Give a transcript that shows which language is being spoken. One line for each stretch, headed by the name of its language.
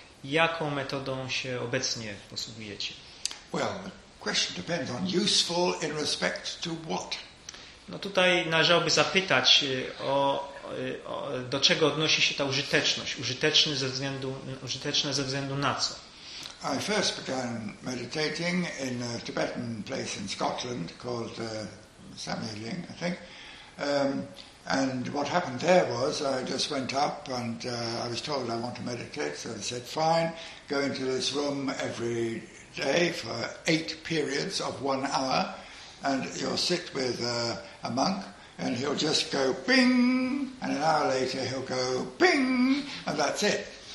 Polish: jaką metodą się obecnie posługujecie?
English: Well, the question depends on useful in respect to what?
Polish: No tutaj należałoby zapytać o do czego odnosi się ta użyteczność, użyteczne ze względu na co?
English: I first began meditating in a Tibetan place in Scotland called Samyaling, I think. And what happened there was I just went up and I was told I want to meditate, so they said fine, go into this room every day for 8 periods of 1 hour and you'll sit with a monk and he'll just go ping, and an hour later he'll go ping, and that's it.